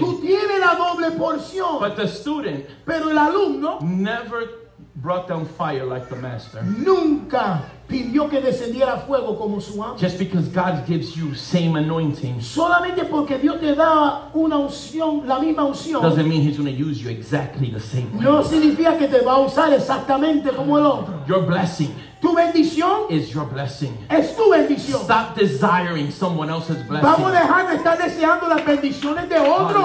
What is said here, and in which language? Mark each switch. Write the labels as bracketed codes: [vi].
[es] Tú tienes la doble porción. [en] But the student, [es] pero el alumno, [en] never brought down fire like the master. [es] Nunca pidió que descendiera fuego como su amo. [en] Just because God gives you same anointing, [es] solamente porque Dios te da una unción, la misma unción, [en] doesn't mean he's going to use you exactly the same way. [es] No significa que te va a usar exactamente como el otro. [en] Your blessing. [es] Tu bendición [en] is your blessing. [es] Es tu bendición. [en] Stop desiring someone else's blessing. [es] Vamos a dejar de estar deseando las bendiciones de otros.